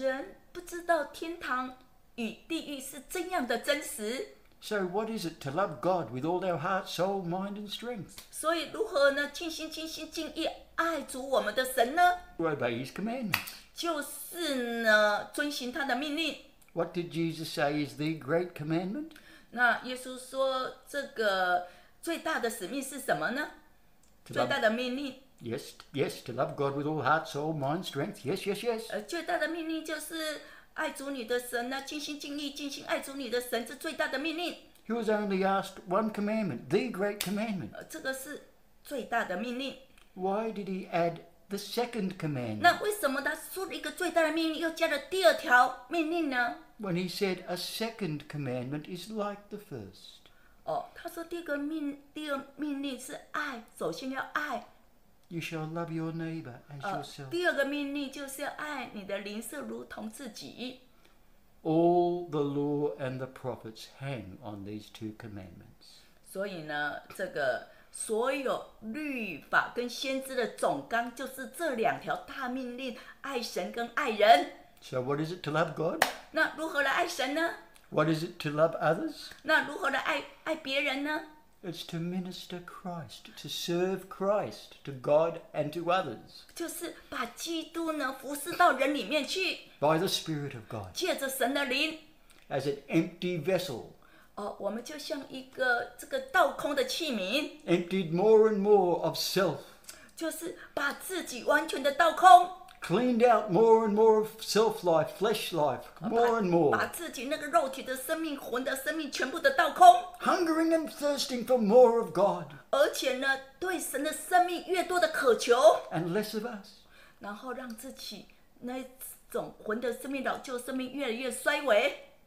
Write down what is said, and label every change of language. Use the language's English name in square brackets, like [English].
[Chinese] 人不知道天堂与地狱是怎样的真实。 [English] So what is it to love God with all our heart, soul, mind, and strength? [Chinese] 所以如何呢？尽心、尽心、尽意爱主我们的神呢 [English] ？To obey His commandments. [Chinese] 就是呢，遵循他的命令。 [English] What did Jesus say is the great commandment? [Chinese] 那耶稣说这个最大的使命是什么呢？最大的命令 [English] ，yes, yes, to love God with all heart, soul, mind, strength, yes, yes, yes. [Chinese] 最大的命令就是爱主你的神呢，尽心尽意尽心爱主你的神，这最大的命令。 [English] He was only asked one commandment, the great commandment. [Chinese] 这个是最大的命令。 [English] Why did he add the second command? [Chinese] 那为什么他说了一个最大的命令，又加了第二条命令呢 [English] ？When he said a second commandment is like the first. [Chinese] 哦，他说第二命令是爱，首先要爱。 [English] You shall love your neighbor as yourself. [Chinese] 第二个命令就是要爱你的邻舍如同自己。 [English] All the law and the prophets hang on these two commandments. [Chinese] 所以呢，这个所有律法跟先知的总纲就是这两条大命令：爱神跟爱人。 [English] So what is it to love God? [Chinese] 那如何来爱神呢？ [English] What is it to love others? [Chinese] 那如何来爱别人呢 [English] ？It's to minister Christ, to serve Christ, to God and to others. [Chinese] 就是把基督呢服侍到人里面去。 [English] By the Spirit of God. [Chinese] 借着神的灵。 [English] As an empty vessel. [Chinese] 哦，我们就像一个这个倒空的器皿。 [English] Emptied more and more of self. [Chinese] 就是把自己完全的倒空。 [English] Cleaned out more and more of self-life, flesh life, more and more. [Chinese] 把自己那个肉体的生命、魂的生命全部的倒空。 [English] Hungering and thirsting for more of God. [Chinese] 而且呢，对神的生命越多的渴求。 [English] And less of us. [Chinese] 然后让自己那种魂的生命、老旧生命越来越衰微。